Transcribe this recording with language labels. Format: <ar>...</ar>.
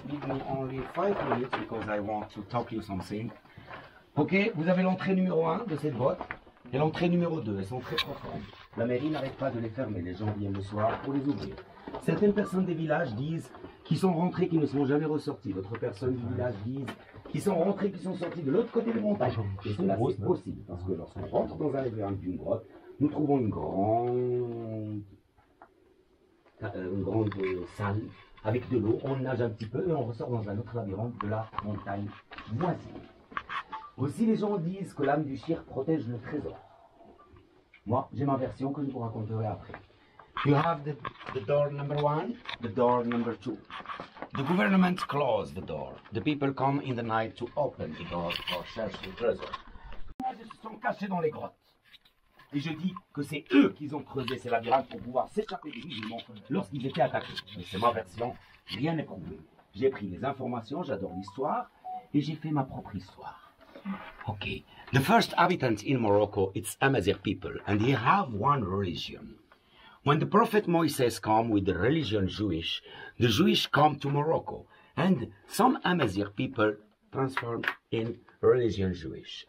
<en>Give me only 5 minutes because I want to talk you something.</en> <fr>Okay, vous avez l'entrée numéro 1 de cette boîte. Et l'entrée numéro 2, elles sont très profondes. La mairie n'arrête pas de les fermer, les gens viennent le soir pour les ouvrir. Certaines personnes des villages disent qu'ils sont rentrés, qu'ils ne sont jamais ressortis. D'autres personnes du village disent qu'ils sont rentrés, qu'ils sont sortis de l'autre côté de la montagne. Et cela, c'est possible, parce que lorsqu'on rentre dans un labyrinthe d'une grotte, nous trouvons une grande salle avec de l'eau, on nage un petit peu et on ressort dans un autre labyrinthe de la montagne voisine. Aussi, les gens disent que l'âme du chir protège le trésor. Moi, j'ai ma version que je vous raconterai après.</fr> <en>You have the door number one, the door number two. The government closed the door. The people come in the night to open the door or search the treasure.</en> <fr>Ils se sont cachés dans les grottes. Et je dis que c'est eux qui ont creusé ces labyrinthes pour pouvoir s'échapper des musulmans lorsqu'ils étaient attaqués. Mais c'est ma version, rien n'est prouvé. J'ai pris les informations, j'adore l'histoire, et j'ai fait ma propre histoire.</fr> <en>Okay, the first inhabitants in Morocco, it's Amazigh people, and they have one religion. When the prophet Moses come with the religion Jewish, the Jewish come to Morocco, And some Amazigh people transformed in religion Jewish.</en>